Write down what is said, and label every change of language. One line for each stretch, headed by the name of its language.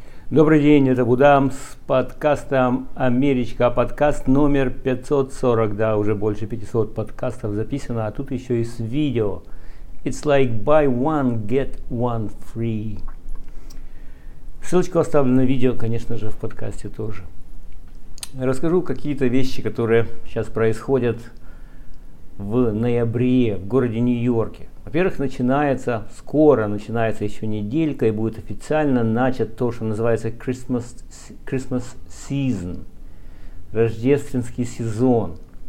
Russian: Добрый день, это Будам с подкастом «Америчка», подкаст номер 540, да, уже больше 500 подкастов записано, а тут еще и с видео.
English: It's like buy one, get one free.
Russian: Ссылочку оставлю на видео, конечно же, в подкасте тоже. Расскажу какие-то вещи, которые сейчас происходят в ноябре в городе Нью-Йорке. Во-первых, начинается, скоро начинается еще неделька, и будет официально начат то, что называется Christmas season, рождественский сезон.